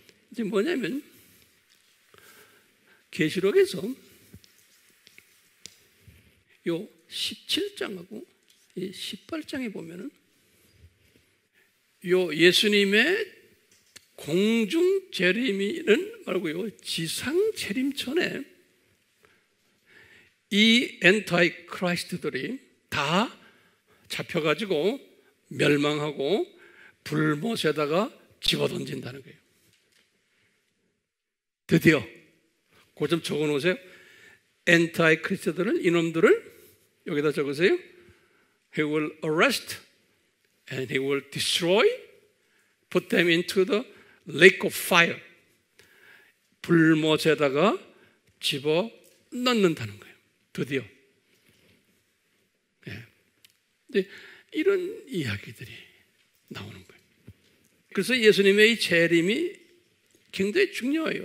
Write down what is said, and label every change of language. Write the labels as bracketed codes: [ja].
[ko] 이제 뭐냐면 계시록에서 요 17장하고 이 18장에 보면은 요 예수님의 공중 재림이는 말고요, 지상 재림 전에 이 엔타이 크라이스트들이 다 잡혀가지고 멸망하고 불못에다가 집어던진다는 거예요. 드디어, 그 좀 적어놓으세요. 엔타이 크라이스트들을, 이놈들을 여기다 적으세요. [en] He will arrest and he will destroy, put them into the lake of fire. [ko] 불못에다가 집어 넣는다는 거예요. 드디어. 네. 근데 이런 이야기들이 나오는 거예요. 그래서 예수님의 이 재림이 굉장히 중요해요.